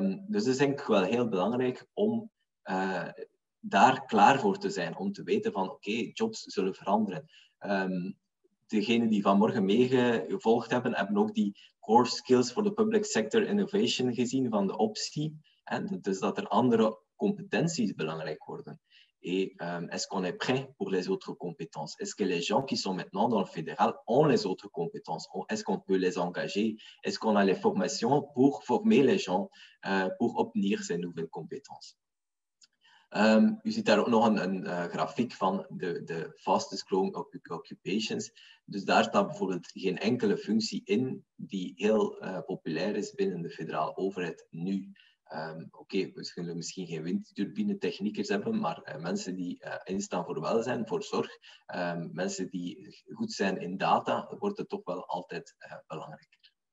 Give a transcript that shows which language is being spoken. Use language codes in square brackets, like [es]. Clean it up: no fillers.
[nl] Dus dat is denk ik wel heel belangrijk om daar klaar voor te zijn. Om te weten van, oké, jobs zullen veranderen. Degenen die vanmorgen meegevolgd hebben, hebben ook die core skills voor de public sector innovation gezien van de optie. En dus dat er andere competenties belangrijk worden. [fr] Et est-ce qu'on est prêt pour les autres compétences? Est-ce que les gens qui sont maintenant dans le fédéral ont les autres compétences? Est-ce qu'on peut les engager? Est-ce qu'on a les formations pour former les gens pour obtenir ces nouvelles compétences? [nl] U ziet daar ook nog een grafiek van de fastest growing occupations. Dus daar staat bijvoorbeeld geen enkele functie in die heel populair is binnen de federale overheid nu. Oké, we zullen misschien geen windturbine-techniekers hebben, maar mensen die instaan voor welzijn, voor zorg, mensen die goed zijn in data, wordt het toch wel altijd belangrijker.